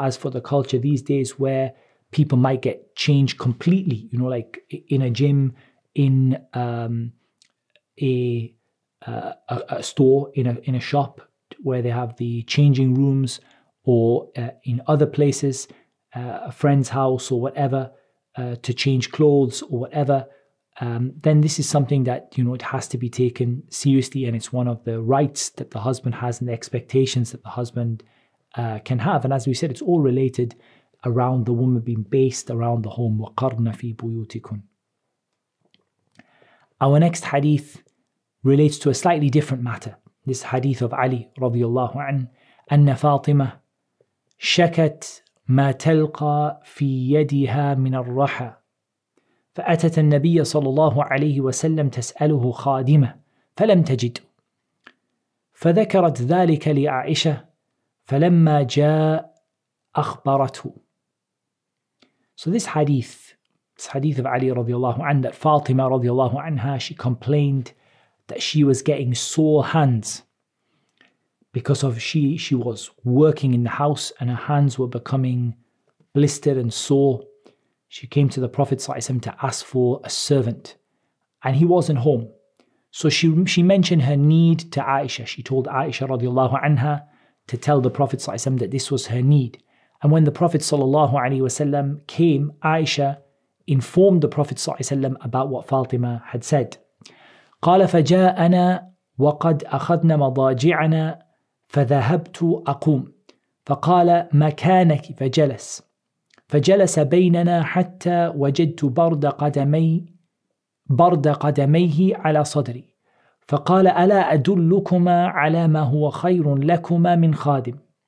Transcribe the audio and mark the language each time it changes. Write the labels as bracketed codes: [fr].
[en] As for the culture these days, where people might get changed completely, you know, like in a gym, in a store, in a shop where they have the changing rooms, or in other places, a friend's house or whatever, to change clothes or whatever, then this is something that, you know, it has to be taken seriously, and it's one of the rights that the husband has and the expectations that the husband can have. And as we said, it's all related around the woman being based around the home. [ar] وَقَرْنَ فِي بُيُوتِكُنْ. [en] Our next hadith relates to a slightly different matter. This hadith of Ali [ar] رضي الله عنه, أن فاطمة شكت ما تلقى في يدها من الرحى فأتت النبي صلى الله عليه وسلم تسأله خادمة فلم تجد فذكرت ذلك لعائشة فلما جاء أخبرته. [en] So this hadith of Ali رضي الله عنه, that Fatima رضي الله عنها, she complained that she was getting sore hands because of she was working in the house and her hands were becoming blistered and sore. She came to the Prophet ﷺ to ask for a servant, and he wasn't home. So she mentioned her need to Aisha. She told Aisha radiallahu anha to tell the Prophet ﷺ that this was her need. And when the Prophet ﷺ came, Aisha informed the Prophet ﷺ about what Fatima had said. [ar] قَالَ فَجَاءَنَا وَقَدْ أَخَذْنَا مَضَاجِعَنَا فَذَهَبْتُ أَقُومُ فَقَالَ مَكَانَكِ فَجَلَسْ فجلس بيننا حتى وجدت برد قدميه على صدري فقال ألا أدلكما على ما هو خير لكما من خادم.